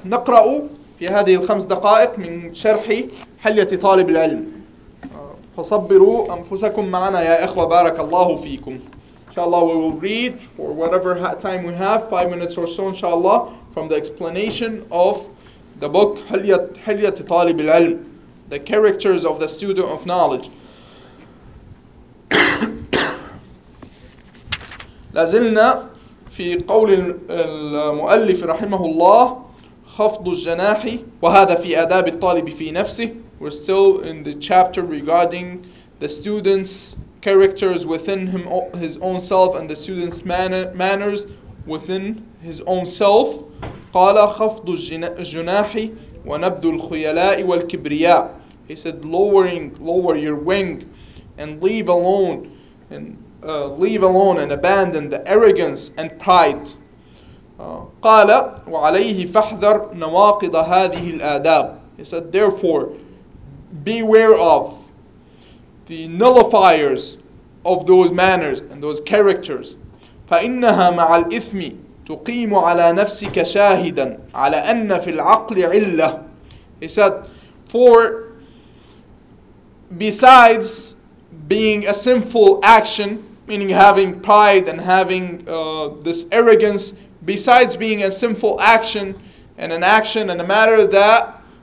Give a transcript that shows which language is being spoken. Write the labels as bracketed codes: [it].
[ar] نقرأ في هذه الخمس دقائق من شرح حلية طالب العلم، فصبروا أنفسكم معنا يا إخوة، بارك الله فيكم. إن شاء الله [en] we will read for whatever time we have, 5 minutes or so, إن شاء الله, from the explanation of the book حلية طالب العلم, the characters of the student of knowledge. [ar] لازلنا في قول المؤلف رحمه الله خفض الجناح، وهذا في آداب الطالب في نفسه. [en] We're still in the chapter regarding the student's characters within him, his own self, and the student's manners within his own self. [ar] قال خفض الجناح ونبذ الخيلاء والكبرياء. [en] He said lower your wing and leave alone and abandon the arrogance and pride. [ar] قال وعليه فاحذر نواقض هذه الآداب. [en] He said therefore beware of the nullifiers of those manners and those characters. [ar] فإنها مع الإثم تقيم على نفسك شاهدا على أن في العقل علة. [en] He said for besides being a sinful action, meaning having pride and having this arrogance, besides being a sinful action and an action and a matter that